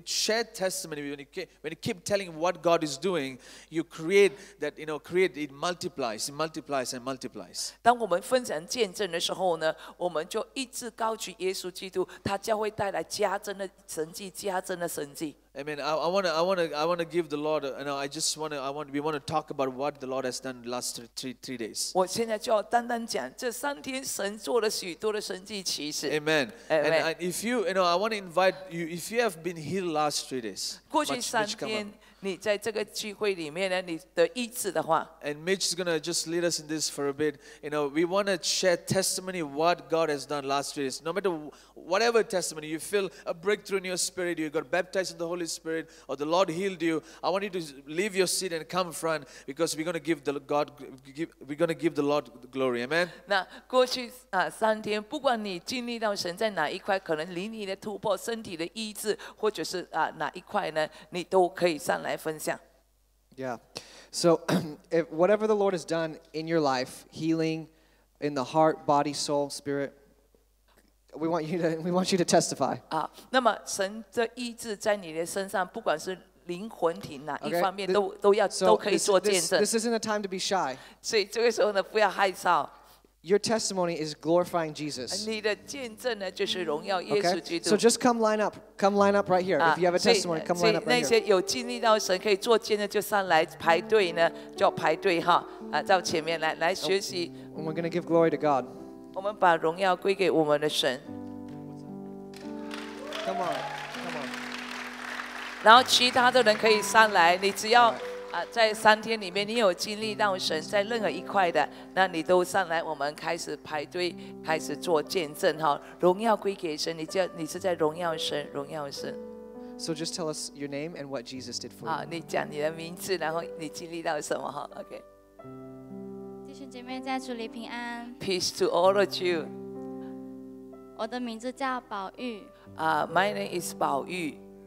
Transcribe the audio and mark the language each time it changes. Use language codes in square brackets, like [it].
[en] When you share testimony, when you keep telling what God is doing, you create that, you know, create it multiplies, it multiplies and multiplies. [zh] 当我们分享见证的时候呢，我们就一直高举耶稣基督，他将会带来加增的神迹，加增的神迹。 [en] Amen. I want to give the Lord. You know, I just want to. We want to talk about what the Lord has done the last three days. 我现在就要单单讲这三天神做了许多的神迹奇事。 Amen. And if you know, I want to invite you. If you have been healed last 3 days, [zh] 过去三天你在这个聚会里面呢，你的医治的话。 [en] And Mitch is gonna just lead us in this for a bit. You know, we want to share testimony what God has done last 3 days. No matter whatever testimony, you feel a breakthrough in your spirit, you got baptized in the Holy Spirit, or the Lord healed you. I want you to leave your seat and come front because we're gonna give the Lord glory. Amen. [zh] 那过去啊三天，不管你经历到神在哪一块，可能灵里的突破、身体的医治，或者是啊哪一块呢，你都可以上。 [en] Yeah. So, if whatever the Lord has done in your life, healing in the heart, body, soul, spirit, we want you to testify. [zh] 那么神的医治在你的身上，不管是灵魂体哪一方面，都可以做见证。 [en] This isn't a time to be shy. [zh] 所以这个时候呢，不要害臊。 [en] Your testimony is glorifying Jesus. [zh] 你的见证呢，就是荣耀耶稣基督。 [en] Okay. So just come line up. Come line up right here. If you have a testimony, come line up right here. [zh] 所以那些有经历到神可以做见证，就上来排队呢，就排队哈。到前面来学习。 [en] And we're going to give glory to God. [zh] 我们把荣耀归给我们的神。 [en] Come on, come on. [zh] 然后其他的人可以上来，你只要。在三天里面，你有经历到神在任何一块的，那你都上来，我们开始排队，开始做见证哈。荣耀归给神，你是在荣耀神，荣耀神。 [en] So just tell us your name and what Jesus did for you. [zh] 你讲你的名字，然后你经历到什么哈 ？OK。弟兄姐妹在主里平安。 [en] Peace to all of you. [zh] 我的名字叫宝玉。 [en] My name is 宝玉。